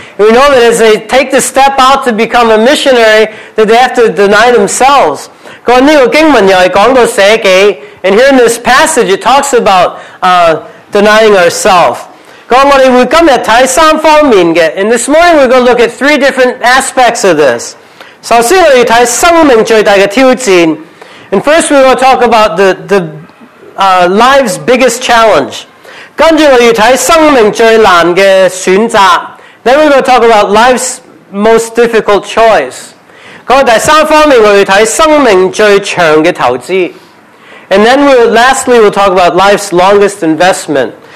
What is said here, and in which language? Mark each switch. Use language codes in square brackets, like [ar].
[en] We know that as they take the step out to become a missionary, that they have to deny themselves. [yue] 咁呢個經文又係講到舍己 [en] ，and here in this passage it talks about denying ourselves. [yue] 咁我哋會今日睇三方面嘅 [en] ，and this morning we're going to look at three different aspects of this. [yue] 首先我哋睇生命最大嘅挑戰。 [en] And first, we're going to talk about the life's biggest challenge. [yue] 跟住我要睇生命最难嘅选择。 [en] Then we're going to talk about life's most difficult choice. [yue] 咁第三方面我要睇生命最长嘅投资。 [en] And then lastly, we'll talk about life's longest investment.